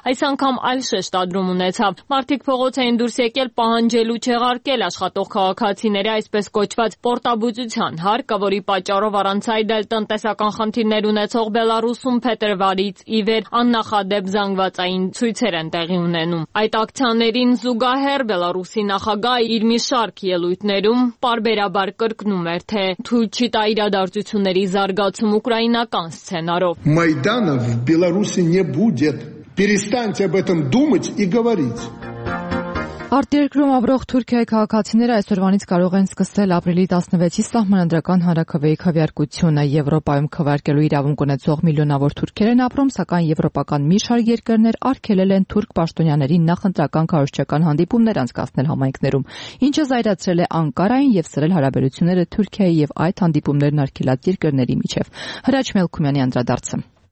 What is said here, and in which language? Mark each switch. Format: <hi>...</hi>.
<hy>այս անգամ այլ շեշտադրում ունեցավ։ Մարդիկ փողոց էին դուրս եկել պահանջելու չեղարկել աշխատող քաղաքացիների այսպես կոչված պորտաբուծության հարկը, որի պատճառով առանց այդ էլ տնտեսական խնդիրներ ունեցող Բելարուսում փետրվարից ի վեր դեպ զանգվածային ցույցեր են տեղի ունենում։ Այդ ակցիաներին զուգահեռ Բելարուսի նախագահ իր մի շարք ելույթներում պարբերաբար կրկնում էր, թե թույլ չի տա իրադարձությունների զարգացում ուկրաինական սցենարով։</hy> <ru>Մայդանը в Беларуси не будет. Перестаньте об этом думать и говорить.</ru> <hy>Արտերկրում ապրող Թուրքիայի քաղաքացիները այսօրվանից կարող են սկսել ապրիլի 16-ի սահմանադրական հանրաքվեի քվեարկությունը։ Եվրոպայում քվարկելու իրավունք ունեցող միլիոնավոր թուրքեր են ապրում, սակայն եվրոպական մի շարք երկրներ արգելել են թուրք պաշտոնյաների նախընտրական քարոշչական հանդիպումներ անցկացնել համայնքներում, ինչը զայրացրել է Անկարային և սրել հարաբերությունները Թուրքիայի և այդ հանդիպումներն արգելած երկրների միջև։ Հրաչ Մելքումյանի անդրադարձը։</hy>